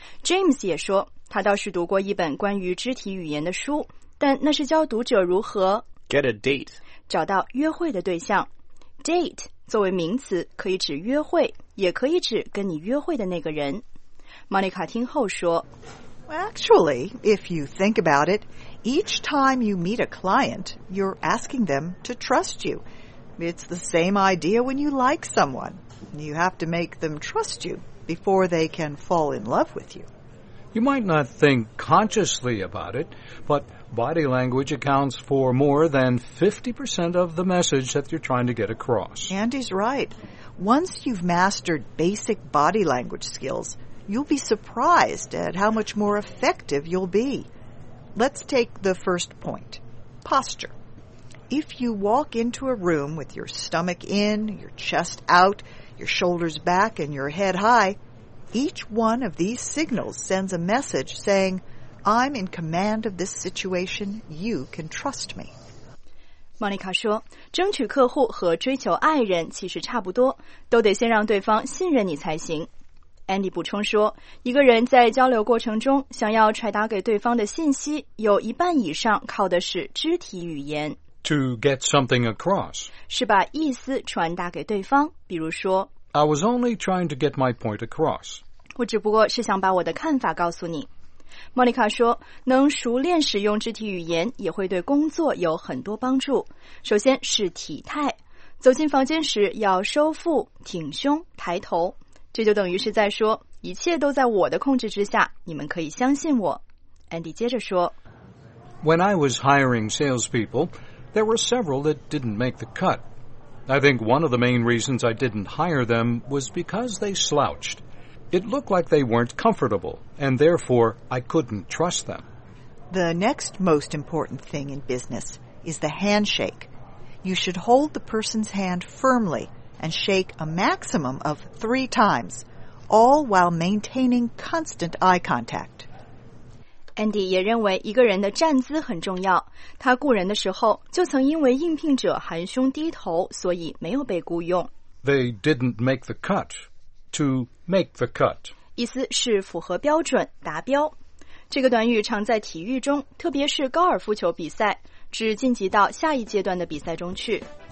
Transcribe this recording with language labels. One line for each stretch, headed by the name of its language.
Chinese: James 也说他倒是读过一本关于肢体语言的书，但那是教读者如何
English: get a date,
Chinese: 找到约会的对象。 Date 作为名词可以指约会，也可以指跟你约会的那个人。 Monica 听后说
English: Actually, if you think about it, each time you meet a client, you're asking them to trust you. It's the same idea when you like someone. You have to make them trust you before they can fall in love with you. You might not think consciously about it, but body language accounts for more than 50% of the message that you're trying to get across. Andy's right. Once you've mastered basic body language skills, you'll be surprised at how much more effective you'll be. Let's take the first point, posture. If you walk into a room with your stomach in, your chest out, your shoulders back, and your head high, each one of these signals sends a message saying, I'm in command of this situation, you can trust me.
Chinese: Monica 说，争取客户和追求爱人其实差不多，都得先让对方信任你才行。 Andy 补充说，一个人在交流过程中想要传达给对方的信息，有一半以上靠的是肢体语言。
English: To get something across.
Chinese: 是把意思传达给对方，比如说
English: I was only trying to get my point across.
Chinese: 我只不过是想把我的看法告诉你。Monica 说，能熟练使用肢体语言也会对工作有很多帮助。首先是体态，走进房间时要收腹、挺胸、抬头，这就等于是在说，一切都在我的控制之下，你们可以相信我。 Andy 接着说
English: When I was hiring salespeople,There were several that didn't make the cut. I think one of the main reasons I didn't hire them was because they slouched. It looked like they weren't comfortable, and therefore I couldn't trust them. The next most important thing in business is the handshake. you should hold the person's hand firmly and shake a maximum of 3 times, all while maintaining constant eye contact.
Chinese: Andy 也认为一个人的站姿很重要，他雇人的时候就曾因为应聘者含胸低头，所以没有被雇用。
English: They didn't make the cut. To make the cut.
Chinese: 意思是符合标准，达标。这个短语常在体育中，特别是高尔夫球比赛，指晋级到下一阶段的比赛中去。